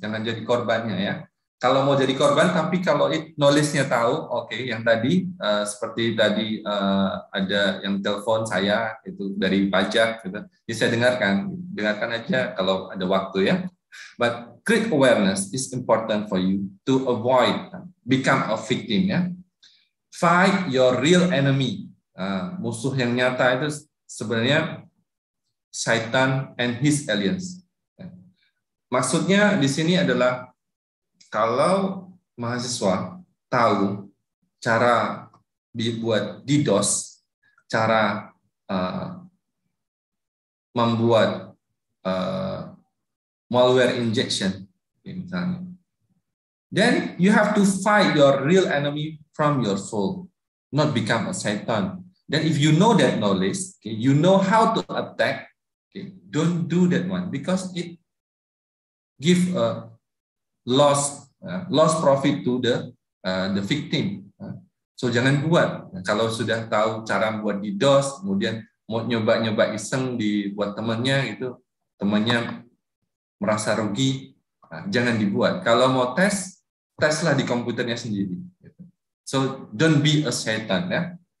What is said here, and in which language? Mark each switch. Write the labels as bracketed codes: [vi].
[id] Jangan jadi korbannya, ya. Kalau mau jadi korban, tapi kalau knowledge-nya tahu, oke, okay, yang tadi, seperti tadi ada yang telepon saya, itu dari pajak, gitu. Ini saya dengarkan, dengarkan aja kalau ada waktu, ya. [en] But create awareness is important for you to avoid, become a victim, ya. Fight your real enemy. [id] Musuh yang nyata itu sebenarnya Satan and his aliens. Maksudnya di sini adalah kalau mahasiswa tahu cara dibuat DDoS, cara membuat malware injection, okay, misalnya, [en] then you have to fight your real enemy from your soul, not become a Satan. Then if you know that knowledge, okay, you know how to attack, okay, don't do that one because it give a lost profit to the victim. [id] So jangan buat. Kalau sudah tahu cara buat DDoS, kemudian mau nyoba-nyoba iseng dibuat temannya, itu temannya merasa rugi, jangan dibuat. Kalau mau tes, teslah di komputernya sendiri. [en] So don't be a Satan, [id] ya.